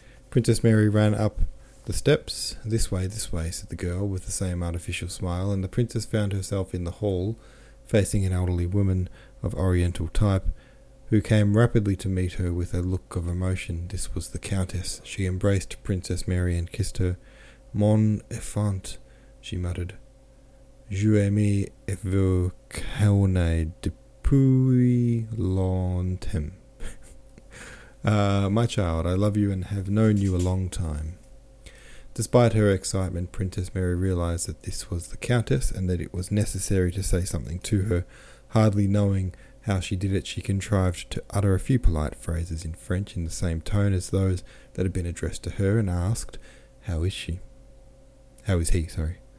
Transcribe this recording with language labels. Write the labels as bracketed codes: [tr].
[en] Princess Mary ran up the steps. This way, said the girl, with the same artificial smile, and the princess found herself in the hall, facing an elderly woman of Oriental type, who came rapidly to meet her with a look of emotion. This was the Countess. She embraced Princess Mary and kissed her. [fr] Mon enfant, [en] she muttered. [fr] Je aime et vous connais depuis longtemps. [en] My child, I love you and have known you a long time. Despite her excitement, Princess Mary realized that this was the Countess and that it was necessary to say something to her. Hardly knowing how she did it, she contrived to utter a few polite phrases in French in the same tone as those that had been addressed to her and asked, "How is she?" "How is he, sorry."